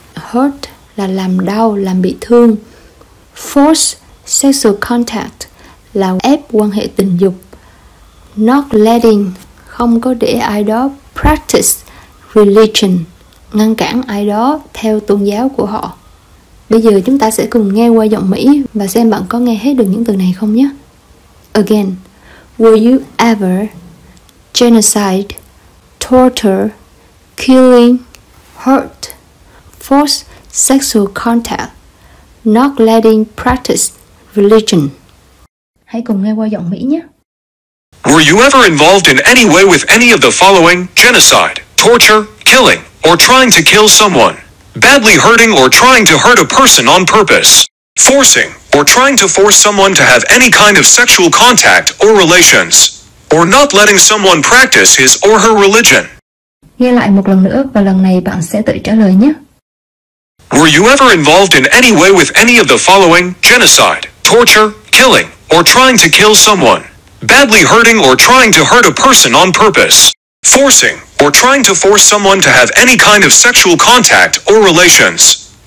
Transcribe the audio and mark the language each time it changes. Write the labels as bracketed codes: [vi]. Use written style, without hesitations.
[vi] Hurt là làm đau, làm bị thương. [en] Force sexual contact [vi] là ép quan hệ tình dục. [en] Not letting, [vi] không có để ai đó [en] practice religion, [vi] ngăn cản ai đó theo tôn giáo của họ. Bây giờ chúng ta sẽ cùng nghe qua giọng Mỹ và xem bạn có nghe hết được những từ này không nhé. [en] Again, were you ever genocide, torture, killing, hurt, force sexual contact, not letting practice religion? [vi] Hãy cùng nghe qua giọng Mỹ nhé. [en] Were you ever involved in any way with any of the following? Genocide, torture, killing, or trying to kill someone. Badly hurting or trying to hurt a person on purpose. Forcing, or trying to force someone to have any kind of sexual contact or relations. Or not letting someone practice his or her religion. [vi] Nghe lại một lần nữa và lần này bạn sẽ tự trả lời nhé. [en] Were you ever involved in any way with any of the following? Genocide, torture, killing, or trying to kill someone. Badly hurting or trying to hurt a person on purpose. Forcing, or trying to force someone to have any kind of sexual contact or relations.